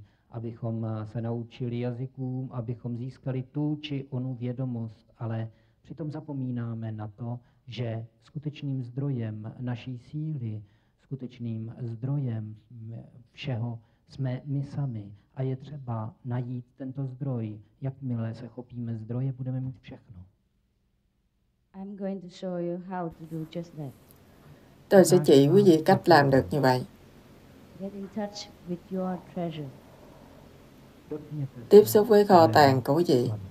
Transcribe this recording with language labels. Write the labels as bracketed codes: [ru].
[cs] Abychom se naučili jazykům, abychom získali tu či onu vědomost, ale přitom zapomínáme na to, že skutečným zdrojem naší síly, skutečným zdrojem všeho jsme my sami. A je třeba najít tento zdroj. Jakmile se chopíme zdroje, budeme mít všechno. [en] I'm going to show you how to do just that. [vi] To se chỉ quý vị cách làm được như vậy. Get in touch with your treasure. Tiếp xúc với kho tàng của quý vị.